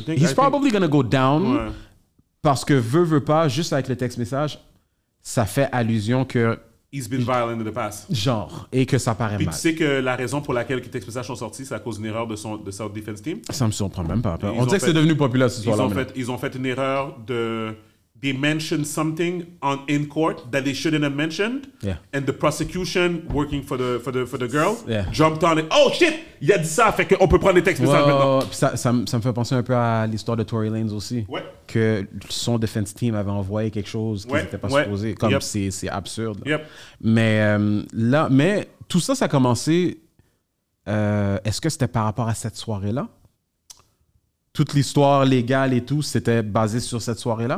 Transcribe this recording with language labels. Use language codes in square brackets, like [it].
[en] He's probably gonna go down. [fr] Ouais. Parce que veut pas, juste avec le text message, ça fait allusion que. [en] He's been violent in the past. [fr] Genre, et que ça paraît puis mal. Tu sais que la raison pour laquelle les text messages sont sortis, c'est à cause d'une erreur de South Defense Team. Ça me surprend même pas. On dit que c'est devenu populaire ce soir-là. Ils ont fait une erreur de. [en] They mentioned something in court that they shouldn't have mentioned, and the prosecution working for the girl jumped on it. Oh shit! [fr] Il a dit ça, fait qu'on peut prendre des textes messages maintenant. Ça me fait penser un peu à l'histoire de Tory Lanez aussi, que son defense team avait envoyé quelque chose qu'ils n'étaient pas supposés. Comme c'est absurde. [en] Yep. [fr] Mais tout ça a commencé. Est-ce que c'était par rapport à cette soirée-là? Toute l'histoire légale et tout, c'était basé sur cette soirée-là?